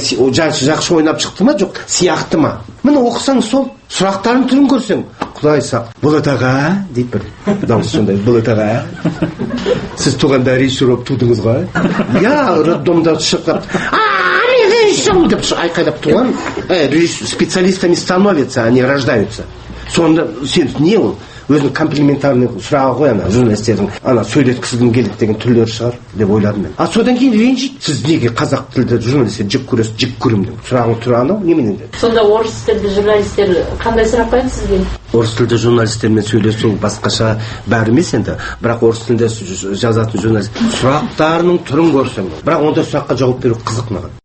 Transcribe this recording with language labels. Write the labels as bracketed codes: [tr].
[kk] Жақсы ойнап шықты ма, жоқ, сияқты ма? Міне оқысаң сол, сұрақтарын түрін көрсең. Құдай сақ, Бұлытаға, дейді бір дауыс сондай, Бұлытаға, сіз туғанда режиссер болып тудыңыз ғой. Я, роддомда шыққан. Режиссер деп айқайлап туған. [ru] Специалистами становятся, они рождаются. [kk] Сонда сен не ол? Өзің комплиментарный сұрағы қой ана журналистердің, ана сөйлеткісігім келді деген түрлері шығар деп ойладым мен. А содан кейін ренжиді, сіз неге қазақ тілді журналистер жек көресіз, жек көрем деп сұрағы тұрғаны немене деді. Сонда орыс тілді журналистер қандай сұрақ қояды сізге? Орыс тілді журналистермен сөйлесу басқаша бәрі емес енді, бірақ орыс тілінде жазатын журналист сұрақтарының түрін көрсең, бірақ ондай сұраққа жауап беру қызық маған.